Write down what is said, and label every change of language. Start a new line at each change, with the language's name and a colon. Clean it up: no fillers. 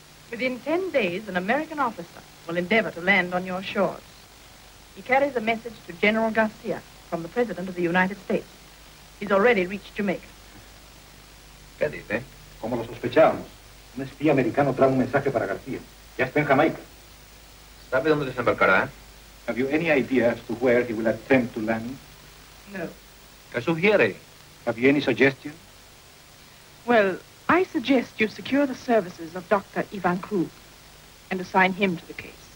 English: Within 10 days, an American officer will endeavor to land on your shores. He carries a message to General Garcia from the President of the United States. He's already reached Jamaica.
Spanish: ¿Qué dice? Como lo sospechábamos. Un espía americano trae un mensaje para García. Ya está en Jamaica. ¿Sabe dónde desembarcará?
English: Have you any idea as to where he will attempt to land? No.
Spanish: ¿Qué sugiere?
English: Have you any suggestion? Well, I suggest you secure the services of Dr. Ivan Krug and assign him to the case.